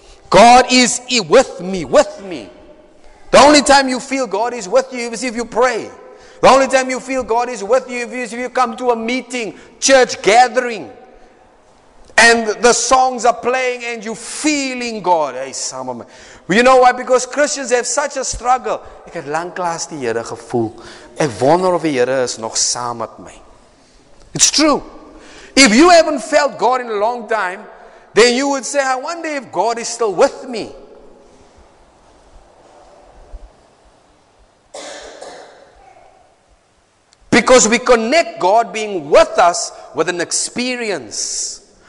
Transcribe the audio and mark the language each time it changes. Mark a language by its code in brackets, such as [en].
[en] God is with me, with me. The only time you feel God is with you is if you pray. The only time you feel God is with you is if you come to a meeting, church gathering, and the songs are playing and you're feeling God. Hey, some of me. You know why? Because Christians have such a struggle. [af] Ek het lanklaas die Here gevoel. Ek wonder of die Here is nog saam met my. [en] It's true. If you haven't felt God in a long time, then you would say, I wonder if God is still with me. Because we connect God being with us with an experience.